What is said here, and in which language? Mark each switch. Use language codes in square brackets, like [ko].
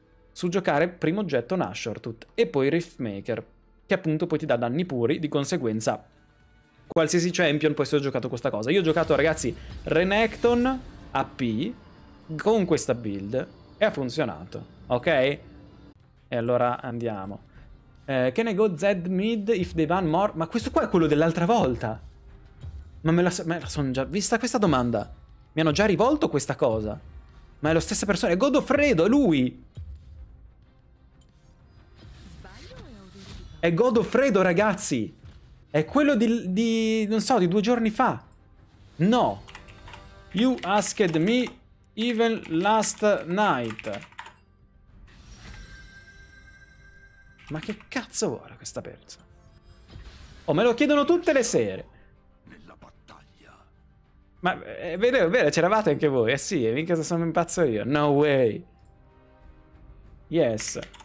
[it] Su giocare primo oggetto Nashor tut, e poi Riftmaker, che appunto poi ti dà danni puri, di conseguenza qualsiasi champion può essere giocato questa cosa. Io ho giocato, ragazzi, Renekton AP con questa build e ha funzionato, ok? E allora andiamo. [en] Can I go Zed mid if they ban more? [it] Ma questo qua è quello dell'altra volta! Ma me la sono già vista questa domanda! Mi hanno già rivolto questa cosa! Ma è la stessa persona, è Godofredo, è lui! È Godofredo, ragazzi! È quello di... non so, di due giorni fa! No! [en] You asked me even last night! [it] Ma che cazzo vuole questa persona? Oh, me lo chiedono tutte le sere! Nella battaglia. Ma è vero, c'eravate anche voi? Eh sì, mica se sono impazzo io! [en] No way! Yes!